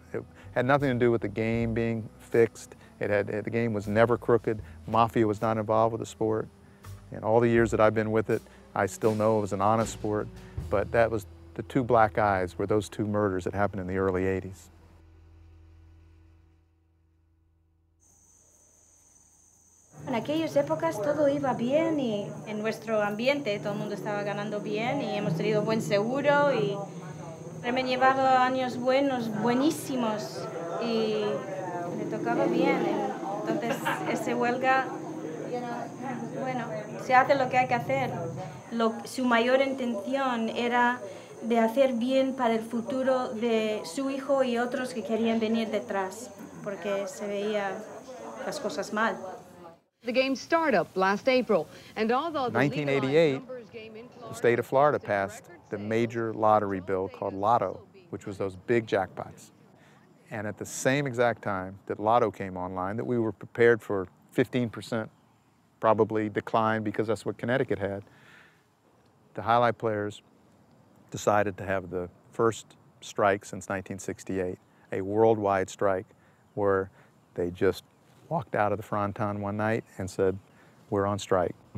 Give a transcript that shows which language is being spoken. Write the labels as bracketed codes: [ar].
[en] It had nothing to do with the game being fixed. The game was never crooked. Mafia was not involved with the sport. And all the years that I've been with it, I still know it was an honest sport. But that was the two black eyes were those two murders that happened in the early 80s. [es] En aquellas épocas todo iba bien y en nuestro ambiente todo el mundo estaba ganando bien y hemos tenido buen seguro y me he llevado años buenos, buenísimos y me tocaba bien. Entonces, esa huelga, bueno, se hace lo que hay que hacer. Su mayor intención era de hacer bien para el futuro de su hijo y otros que querían venir detrás porque se veía las cosas mal. [en] The game's startup last April, and although the 1988, the state of Florida passed the major lottery bill called Lotto, which was those big jackpots. And at the same exact time that Lotto came online, that we were prepared for 15% probably decline because that's what Connecticut had, the highlight players decided to have the first strike since 1968, a worldwide strike where they just walked out of the Fronton one night and said, we're on strike.